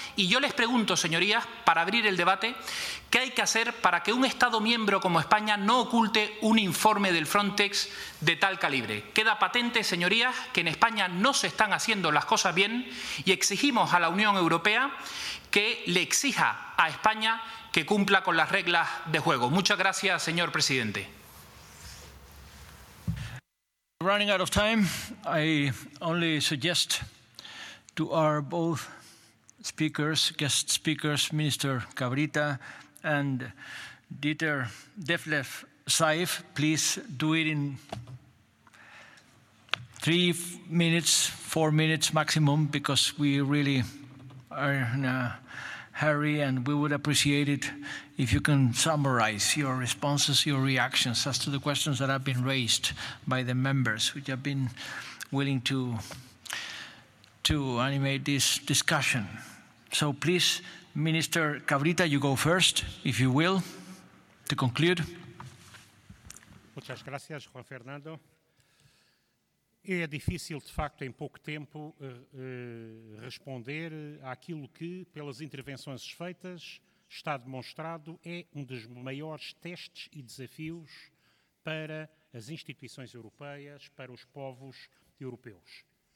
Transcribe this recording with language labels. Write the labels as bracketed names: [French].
[Spanish] Y yo les pregunto, señorías, para abrir el debate, ¿qué hay que hacer para que un Estado miembro como España no oculte un informe del Frontex de tal calibre? Queda patente, señorías, que en España no se están haciendo las cosas bien y exigimos a la Unión Europea que le exija a España que cumpla con las reglas de juego. Muchas gracias, señor presidente. [English] Running out of time, I only suggest to our both speakers, guest speakers, Minister Cabrita and Dieter Detlef Seif, please do it in 3 minutes, 4 minutes maximum, because we really are in a hurry and we would appreciate it if you can summarize your responses, your reactions as to the questions that have been raised by the members, which have been willing to animate this discussion. So please, Minister Cabrita, you go first, if you will, to conclude. [Spanish] Muchas gracias, Juan Fernando. [Portuguese] É difícil, de facto, em pouco tempo, responder àquilo que, pelas intervenções feitas, está demonstrado é um dos maiores testes e desafios para as instituições europeias, para os povos europeus.